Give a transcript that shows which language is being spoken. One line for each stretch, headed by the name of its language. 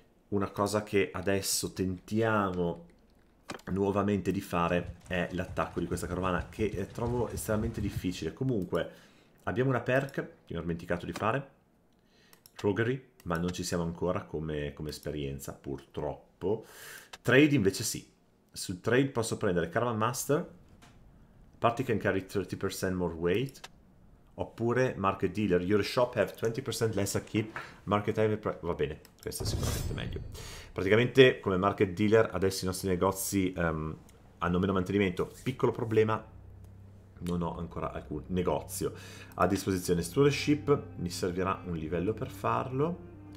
Italian: Una cosa che adesso tentiamo nuovamente di fare è l'attacco di questa carovana, che trovo estremamente difficile. Comunque, abbiamo una perk che mi ho dimenticato di fare, Roguery, ma non ci siamo ancora come esperienza, purtroppo. Trade invece sì. Sul trade posso prendere
English: Caravan Master, Party can carry 30% more weight, oppure Market Dealer, your shop have 20% less a keep, market have...
Italian: Va bene, questo è sicuramente meglio. Praticamente, come Market Dealer, adesso i nostri negozi hanno meno mantenimento. Piccolo problema, non ho ancora alcun negozio a disposizione. Stewardship, mi servirà un livello per farlo.